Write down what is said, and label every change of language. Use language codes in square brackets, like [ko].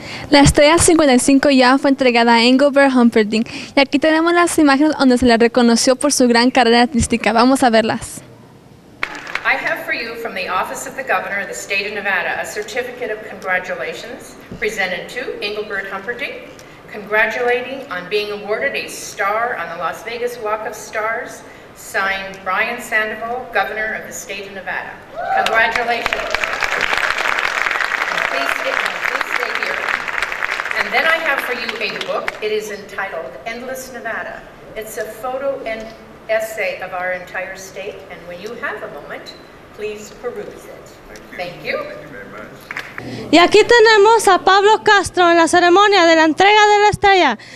[es] La estrella 55 ya fue entregada a Engelbert Humperdinck y aquí tenemos las imágenes donde se le reconoció por su gran carrera artística. Vamos a verlas. [en] I have for you from the Office of the Governor of the State of Nevada a certificate of congratulations presented to Engelbert Humperdinck, congratulating on being awarded a star on the Las Vegas Walk of Stars. Signed, Brian Sandoval, Governor of the State of Nevada. Congratulations. Please stay here. And then I have for you a book. It is entitled Endless Nevada. It's a photo and essay of our entire state. And when you have a moment, please peruse it. Thank you. [es] Y aquí tenemos a Pablo Castro en la ceremonia de la entrega de la estrella.